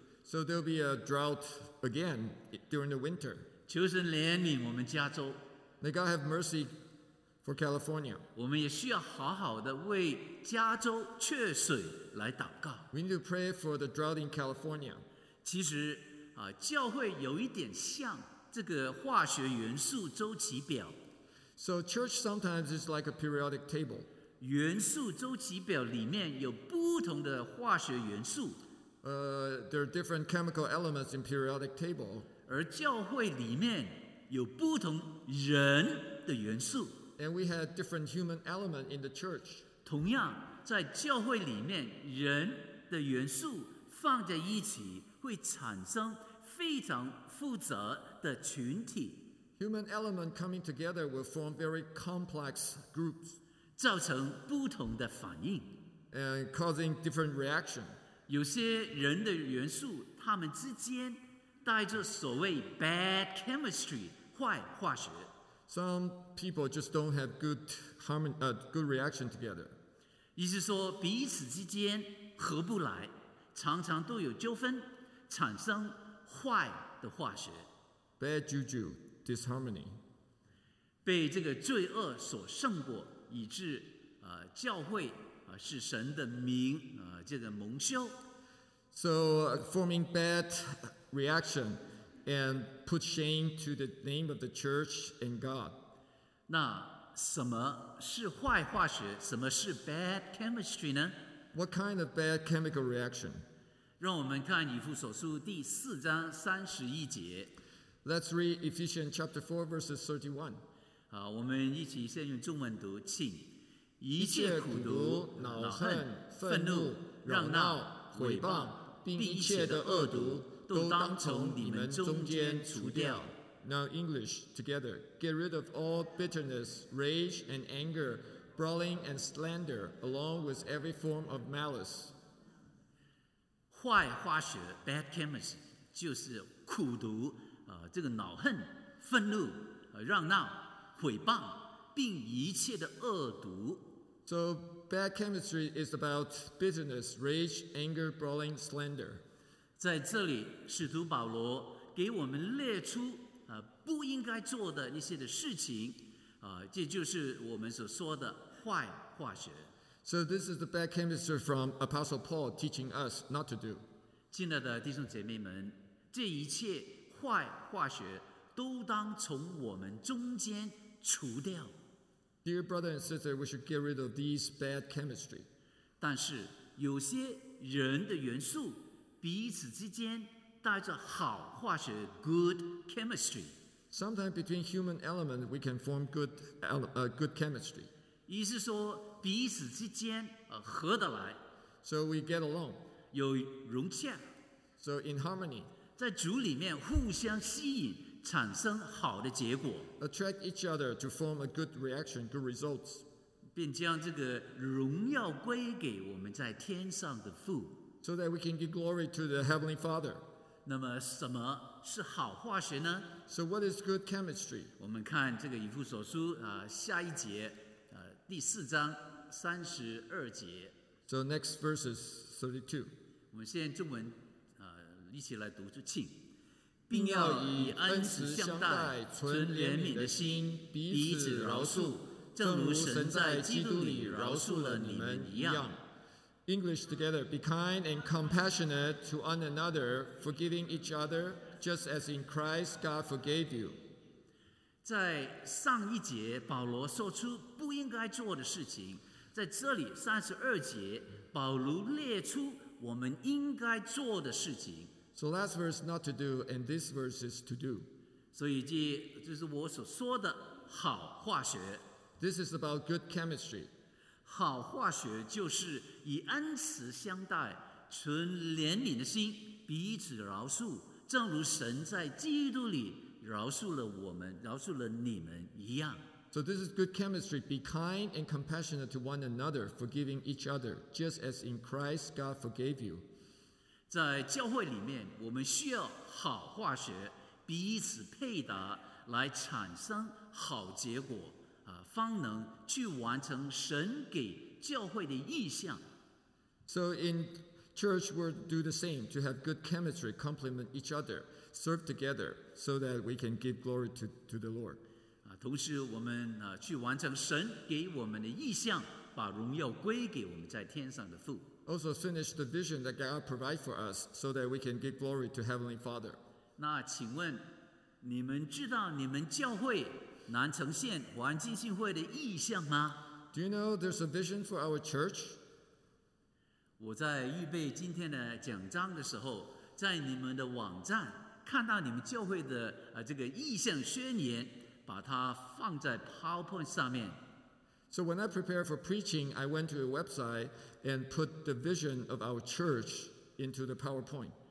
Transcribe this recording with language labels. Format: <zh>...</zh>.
<en>So there'll be a drought again during the winter.</en> <zh>求神怜悯我们加州。</zh> <en>May God have mercy for California.</en> <zh>我们也需要好好的为加州缺水来祷告。</zh> <en>We need to pray for the drought in California.</en> <zh>其实，教会有一点像这个化学元素周期表。</zh> <en>So church sometimes is like a periodic table.</en> <zh>元素周期表里面有不同的化学元素。</zh> <en>There are different chemical elements in periodic table.</en> <zh>而教会里面有不同人的元素。</zh> <en>And we have different human elements in the church.</en> <zh>同样，在教会里面，人的元素放在一起会产生非常复杂的群体。</zh> <en>Human element coming together will form very complex groups.</en> <zh>造成不同的反应。</zh> <en>And causing different reaction.</en> <zh>有些人的元素，他们之间带着所谓</zh> <en>bad chemistry,</en> <zh>坏化学。</zh> <en>Some people just don't have good harmony, good reaction together.</en> <zh>意思说彼此之间合不来，常常都有纠纷，产生坏的化学。</zh> <en>Bad juju, disharmony.</en> <zh>被这个罪恶所胜过，以致教会是神的名这个蒙羞。</zh> <en>So forming bad reaction and put shame to the name of the church and God.</en> <zh>那什么是坏化学？什么是</zh> <en>bad chemistry</en> <zh>呢？</zh> <en>What kind of bad chemical reaction?</en> <zh>让我们看以弗所书第四章三十一节。</zh> <en>Let's read Ephesians chapter 4 verses 31.</en> <zh>好，我们一起先用中文读，请。一切苦毒、恼恨、愤怒、嚷闹、毁谤，并一切的恶毒，都当从你们中间除掉。</zh> <en>Now English together, get rid of all bitterness, rage and anger, brawling and slander, along with every form of malice.</en> <zh>坏化学</zh> <en>bad chemistry</en> <zh>就是苦毒，这个恼恨、愤怒、嚷闹、毁谤，并一切的恶毒。</zh> <en>So bad chemistry is about bitterness, rage, anger, brawling, slander.</en> <zh>在这里，使徒保罗给我们列出不应该做的一些的事情，这就是我们所说的坏化学。</zh> <en>So this is the bad chemistry from Apostle Paul teaching us not to do.</en> <zh>亲爱的弟兄姐妹们，这一切坏化学都当从我们中间除掉。</zh> <en>Dear brother and sister, we should get rid of these bad chemistry.</en> <zh>但是有些人的元素彼此之间带着好化学</zh> <en>good chemistry. Sometimes between human elements, we can form good chemistry.</en> <zh>意思说彼此之间合得来。</zh> <en>So we get along.</en> <zh>有融洽。</zh> <en>So in harmony.</en> <zh>在主里面互相吸引，产生好的结果。</zh> <en>Attract each other to form a good reaction, good results.</en> <zh>并将这个荣耀归给我们在天上的父。</zh> <en>So that we can give glory to the Heavenly Father.</en> <zh>那么什么是好化学呢？</zh> <en>So what is good chemistry?</en> <zh>我们看这个以弗所书下一节第四章三十二节。</zh> <en>So next verse is 32.</en> <zh>我们先中文一起来读出，请。并要以恩慈相待，存怜悯的心，彼此饶恕，正如神在基督里饶恕了你们一样。</zh> <en>English together, be kind and compassionate to one another, forgiving each other, just as in Christ God forgave you.</en> <zh>在上一节，保罗说出不应该做的事情，在这里三十二节，保罗列出我们应该做的事情。</zh> <en>So last verse not to do, and this verse is to do.</en> <zh>所以这就是我所说的好化学。</zh> <en>This is about good chemistry.</en> <zh>好化学就是以恩慈相待，存怜悯的心，彼此饶恕，正如神在基督里饶恕了我们，饶恕了你们一样。</zh> <en>So this is good chemistry. Be kind and compassionate to one another, forgiving each other, just as in Christ God forgave you.</en> <zh>在教会里面，我们需要好化学，彼此配搭，来产生好结果，方能去完成神给教会的意向。</zh> <en>So in church, we'll do the same to have good chemistry, complement each other, serve together, so that we can give glory to the Lord.</en> <zh>同时我们去完成神给我们的意向，把荣耀归给我们在天上的父。</zh> <en>Also finish the vision that God provides for us so that we can give glory to Heavenly Father.</en> <zh>那请问你们知道你们教会南城县环境信会的意向吗？</zh> <en>Do you know there's a vision for our church?</en> <zh>我在预备今天的讲章的时候，在你们的网站看到你们教会的这个意向宣言，把它放在 PowerPoint 上面。</zh> <en>So when I prepare for preaching, I went to a website and put the vision of our church into the PowerPoint.</en>